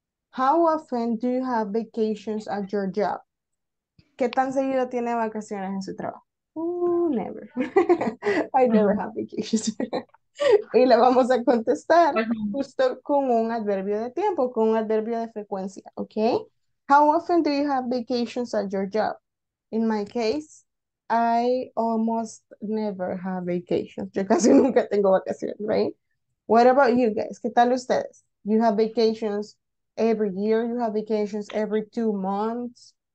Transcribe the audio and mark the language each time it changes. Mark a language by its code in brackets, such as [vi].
[en] How often do you have vacations at your job? [es] ¿Qué tan seguido tiene vacaciones en su trabajo? Never. [en] I never have vacations. [es] Y le vamos a contestar justo con un adverbio de tiempo, con un adverbio de frecuencia, okay? [en] How often do you have vacations at your job? In my case, I almost never have vacations. [es] Yo casi nunca tengo vacaciones, right? [en] What about you guys? [es] ¿Qué tal ustedes? [en] You have vacations every year? You have vacations every 2 months?